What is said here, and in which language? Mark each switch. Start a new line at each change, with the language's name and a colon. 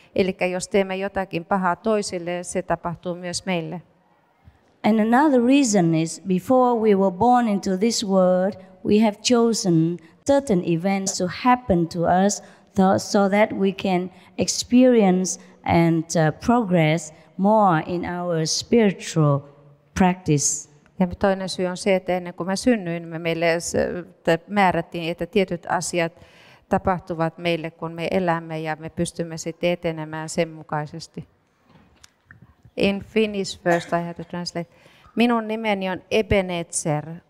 Finnish: Eli jos teemme jotakin pahaa toisille, se tapahtuu myös meille.
English: And another reason is before we were born into this world, we have chosen certain events to happen to us so that we can experience and progress more in our spiritual practice.
Finnish: Ja toinen syy on se, että ennen kuin mä synnyin, meille määrättiin, että tietyt asiat tapahtuvat meille, kun me elämme ja me pystymme sitten etenemään sen mukaisesti.
English: In Finnish first, I have to translate.
Finnish: Minun nimeni on Ebenezer.